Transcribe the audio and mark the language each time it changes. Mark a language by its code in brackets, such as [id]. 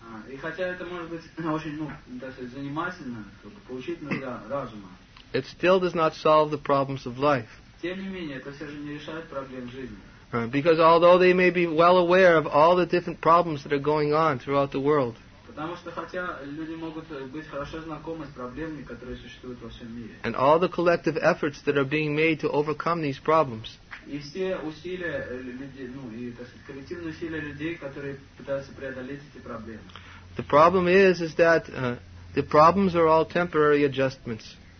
[ru] И хотя это может быть очень, ну, так сказать, занимательно, поучительно для разума. [en] It still does not solve the problems of life. [ru] Тем не менее, это все же не решает проблем жизни. [en] Because although they may be well aware of all the different problems that are going on throughout the world. [ru] Потому что хотя люди могут быть хорошо знакомы с проблемами, которые существуют во всем мире. [en] And all the collective efforts that are being made to overcome these problems. [ru] И все усилия людей, ну, и, так сказать, коллективные усилия людей, которые пытаются преодолеть эти проблемы. [en] The problem is that the problems are all temporary adjustments.